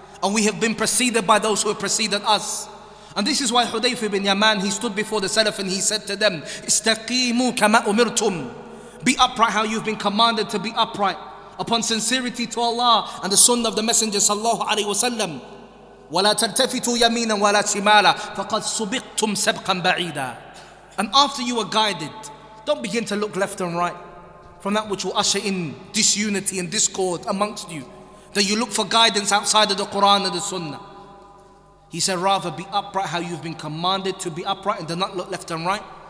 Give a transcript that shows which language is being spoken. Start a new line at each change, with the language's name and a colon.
English: And we have been preceded by those who have preceded us. And this is why Hudayf ibn Yaman, he stood before the Salaf and he said to them,
Arabic: إِسْتَقِيمُوا كَمَا أُمِرْتُمْ.
English: Be upright how you've been commanded to be upright upon sincerity to Allah and the sunnah of the Messenger sallallahu alayhi wa sallam.
Arabic: ولا تلتفتوا يمينا ولا شمالا فقد سبقتم سبقا بعيدا.
English: And after you are guided, don't begin to look left and right from that which will usher in disunity and discord amongst you. That you look for guidance outside of the Quran and the Sunnah. He said, rather be upright how you've been commanded to be upright and do not look left and right.